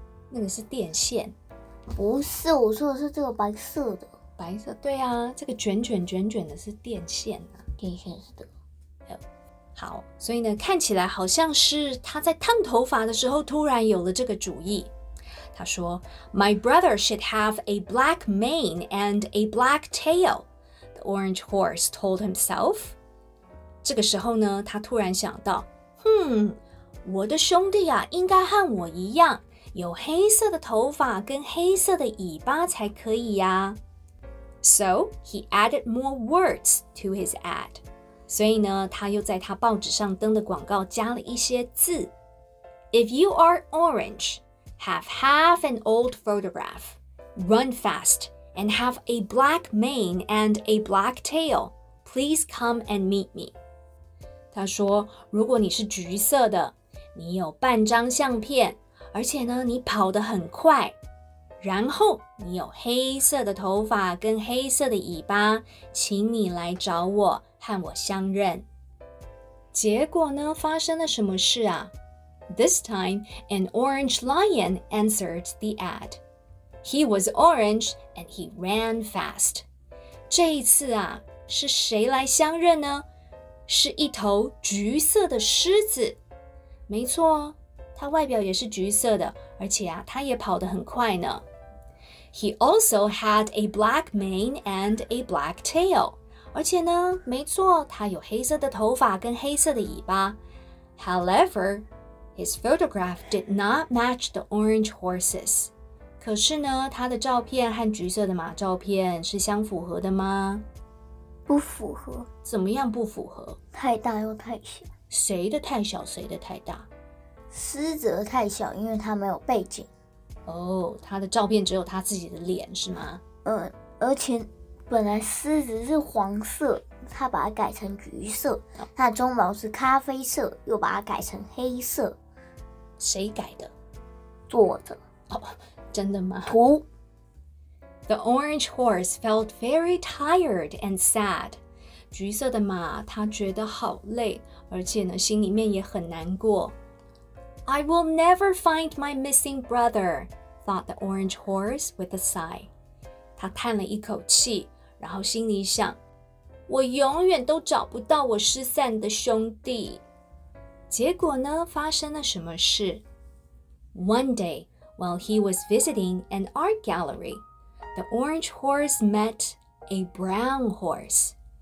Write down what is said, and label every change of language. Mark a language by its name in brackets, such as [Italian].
[Chinese] 那个是电线。不是，我说的是这个白色的。白色？对啊，这个卷卷卷卷的是电线啊。电线是的。好，所以呢，看起来好像是他在烫头发的时候突然有了这个主意。他说 [English] My brother should have a black mane and a black tail, the orange horse told himself. [Chinese] 这个时候呢，他突然想到我的兄弟啊，应该和我一样，有黑色的头发跟黑色的尾巴才可以啊。 [English] So, he added more words to his ad. [Chinese] 所以呢，他又在他报纸上登的广告加了一些字。 [English] If you are orange,Have half an old photograph, run fast, and have a black mane and a black tail. Please come and meet me. [Chinese] 他说，如果你是橘色的，你有半张相片，而且呢，你跑得很快，然后你有黑色的头发跟黑色的尾巴，请你来找我，和我相认。结果呢，发生了什么事啊？ [English] This time, an orange lion answered the ad. He was orange, and he ran fast. [Chinese] 这一次啊，是谁来相认呢？是一头橘色的狮子。没错，它外表也是橘色的，而且啊，它也跑得很快呢。 [English] He also had a black mane and a black tail. [Chinese] 而且呢，没错，它有黑色的头发跟黑色的尾巴。 [English] However,His photograph did not match the orange horses. [Chinese] 可是呢，他的照片和橘色的马照片是相符合的吗？不符合。怎么样不符合？太大又太小。谁的太小，谁的太大？狮子的太小，因为他没有背景。哦，他的照片只有他自己的脸，是吗？而且本来狮子是黄色。他把它改成橘色，他的鬃毛是咖啡色，又把它改成黑色。谁改的？作者。哦，真的吗？图。 [English] The orange horse felt very tired and sad. [Chinese] 橘色的马，他觉得好累，而且呢，心里面也很难过。 [English] I will never find my missing brother, thought the orange horse with a sigh. [Chinese] 他叹了一口气，然后心里想。我永远都找不到我失散的兄弟。结果呢，发生了什么事？ [English] One day, while he was visiting an art gallery, the orange horse met a brown horse.